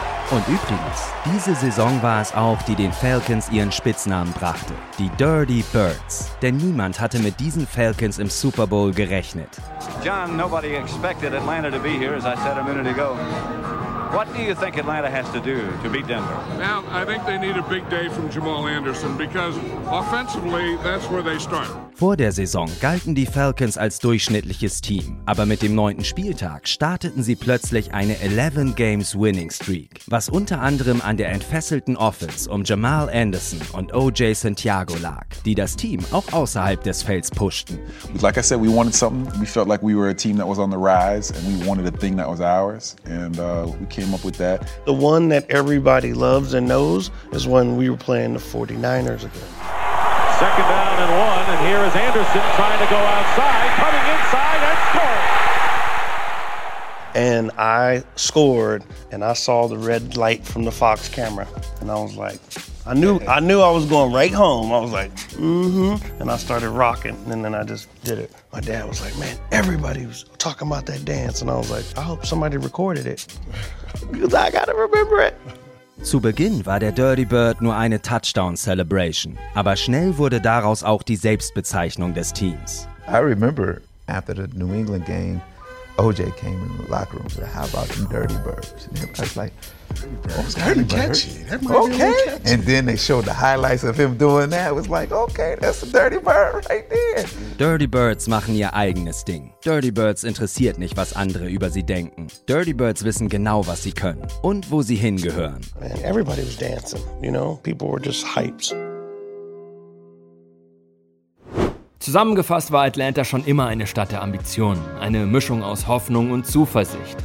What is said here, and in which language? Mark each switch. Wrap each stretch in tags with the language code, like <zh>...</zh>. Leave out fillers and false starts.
<de>Und übrigens, diese Saison war es auch, die den Falcons ihren Spitznamen brachte. Die Dirty Birds. Denn niemand hatte mit diesen Falcons im Super Bowl gerechnet.</de> <en>John, nobody expected Atlanta to be here, as I said a minute ago. What do you think Atlanta has to do to beat Denver? Now, I think they need a big day from Jamal Anderson, because offensively, that's where they start.</en> <de>Vor der Saison galten die Falcons als durchschnittliches Team, aber mit dem 9. Spieltag starteten sie plötzlich eine 11-Games-Winning-Streak, was unter anderem an der entfesselten Offense um Jamal Anderson und OJ Santiago lag, die das Team auch außerhalb des Felds pushten.</de> <en>Like I said, we wanted something. We felt like we were a team that was on the rise and we wanted a thing that was ours and we came up with that. The one that everybody loves and knows is when we were playing the 49ers again. Second down and one, and here is Anderson trying to go outside, coming inside and scoring. And I scored, and I saw the red light from the Fox camera, and I was like, I knew I was going right home. I was like, and I started rocking, and then I just did it. My dad was like, man, everybody was talking about that dance, and I was like, I hope somebody recorded it, because I gotta remember it.</en> <de>Zu Beginn war der Dirty Bird nur eine Touchdown-Celebration, aber schnell wurde daraus auch die Selbstbezeichnung des Teams.</de> <en>I remember after the New England game, OJ came in the locker room and said, how about them Dirty Birds? And I was like, that's kind of catchy. Okay. And then they showed the highlights of him doing that. It was like, okay, that's a Dirty Bird right there.</en> <de>Dirty Birds machen ihr eigenes Ding. Dirty Birds interessiert nicht, was andere über sie denken. Dirty Birds wissen genau, was sie können und wo sie hingehören.</de> <en>Man, everybody was dancing, you know? People were just hyped.</en> <de>Zusammengefasst war Atlanta schon immer eine Stadt der Ambitionen, eine Mischung aus Hoffnung und Zuversicht.</de>